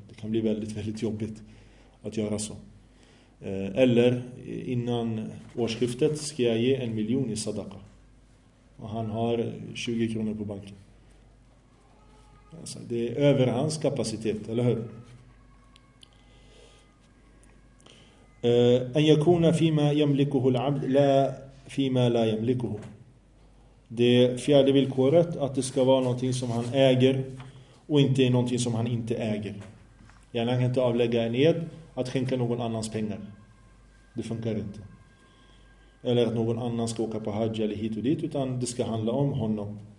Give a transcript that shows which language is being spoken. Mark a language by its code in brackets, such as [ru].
[sv] Det kan bli väldigt, väldigt jobbigt att göra så. Eller innan årsskiftet ska jag ge 1 miljon i sadaqa. Och han har 20 kronor på banken. Alltså, det är över hans kapacitet, eller hur? [ar] أن يكون فيما يملكه العبد لا فيما لا يملكه. [sv] Det fjärde villkoret, att det ska vara någonting som han äger och inte någonting som han inte äger. Gärna kan inte avlägga en ed att skänka någon annans pengar. Det funkar inte. Eller att någon annan ska åka på hajj eller hit och dit, utan det ska handla om honom.